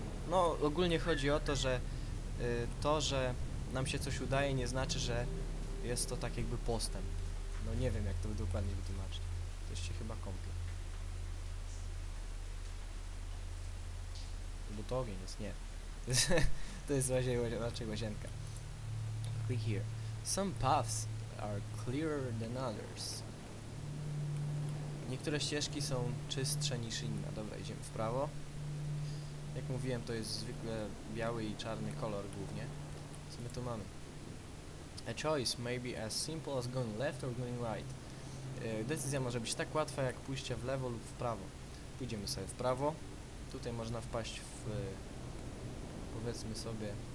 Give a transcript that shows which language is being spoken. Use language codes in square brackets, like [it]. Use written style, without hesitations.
[pl] No, ogólnie chodzi o to, że to, że nam się coś udaje, nie znaczy, że jest to tak jakby postęp. No nie wiem, jak to dokładnie wytłumaczyć. Ktoś się chyba kąpie. Bo to ogień jest, nie. To jest raczej łazienka. [en] Click here. Some paths are clearer than others. [pl] Niektóre ścieżki są czystsze niż inne. Dobra, idziemy w prawo. Jak mówiłem, to jest zwykle biały i czarny kolor głównie. Co my tu mamy? [en] A choice may be as simple as going left or going right. [pl] Decyzja może być tak łatwa jak pójście w lewo lub w prawo. Pójdziemy sobie w prawo. Tutaj można wpaść w... powiedzmy sobie...